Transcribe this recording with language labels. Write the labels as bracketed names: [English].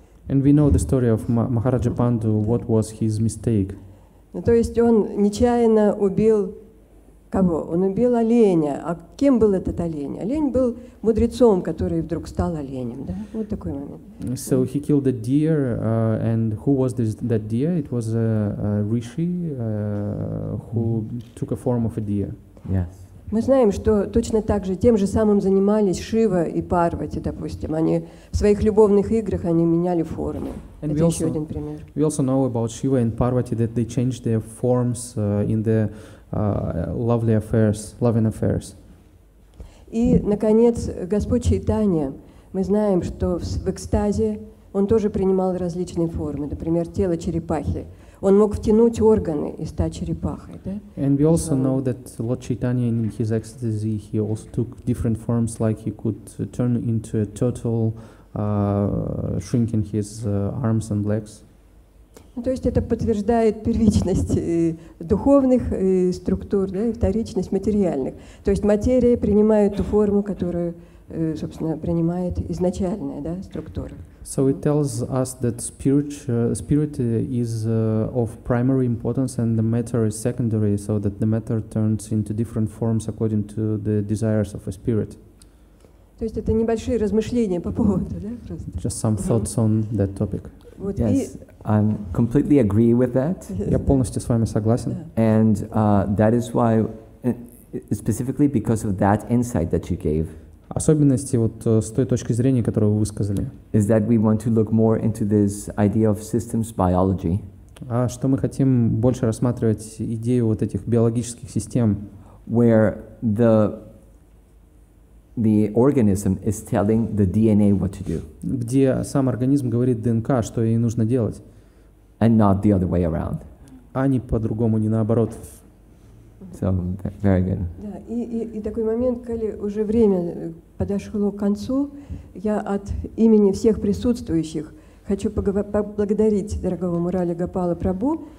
[English] And we know the story of Maharaja Pandu, what was his mistake. [Russian] Ну, то есть он нечаянно убил кого? Он убил оленя. А кем был этот олень? Олень был мудрецом, который вдруг стал оленем. Да? Вот такой момент. [English] So he killed a deer, and who was this, that deer? It was a rishi, who took a form of a deer. Yes. [Russian] Мы знаем, что точно так же, тем же самым занимались Шива и Парвати, допустим. Они в своих любовных играх они меняли формы. [English] And [Russian] это еще один пример. [English] We also know about Shiva and Parvati, that they changed their forms in the lovely affairs, loving affairs. [Russian] И, наконец, Господь Чайтанья, мы знаем, что в экстазе он тоже принимал различные формы, например, тело черепахи. Он мог втянуть органы и стать черепахой, да? [English] And we also know that Lord Chaitanya in his ecstasy, he also took different forms, like he could turn into a turtle, shrinking his arms and legs. [Russian] Ну, то есть это подтверждает первичность духовных структур, да, и вторичность материальных. То есть материя принимает ту форму, которую, собственно, принимает изначальная, да, структура. [English] So it tells us that spirit is of primary importance and the matter is secondary, so that the matter turns into different forms according to the desires of a spirit. [Russian] То есть это небольшие размышления по поводу, да, просто? [English] Just some thoughts on that topic. Вот yes, I completely agree with that. [Russian] Я полностью с вами согласен. [English] And that is why, specifically because of that insight that you gave, [Russian] особенности вот с той точки зрения, которую вы высказали, [English] is that we want to look more into this idea of systems biology. [Russian] А что мы хотим больше рассматривать идею вот этих биологических систем, [English] where the organism is telling the DNA what to do. [Russian] Где сам организм говорит ДНК, что ей нужно делать. [English] And not the other way around. [Russian] А не по-другому, не наоборот. [English] So, very good. [Russian] Да, и такой момент, когда уже время подошло к концу, я от имени всех присутствующих хочу поблагодарить дорогого Мурали Гопала Прабу.